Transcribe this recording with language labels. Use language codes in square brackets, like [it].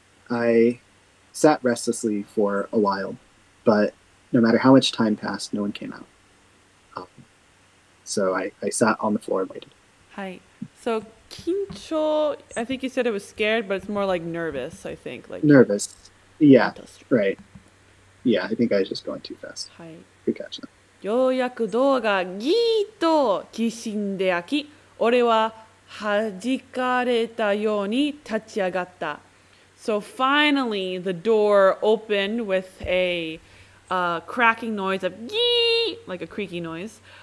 [en] I sat restlessly for a while, but no matter how much time passed, no one came out. So I sat on the floor and waited. Hi. So, 緊張, I think you said it was scared, but it's more like nervous, I think. Like nervous. Yeah, right. Yeah, I think I was just going too fast. Hi. Good catch up. [ja] ようやくドアがギーと軋んで開き、俺は弾かれたように立ち上がった。 [en] So finally, the door opened with a cracking noise of gee, like a creaky noise.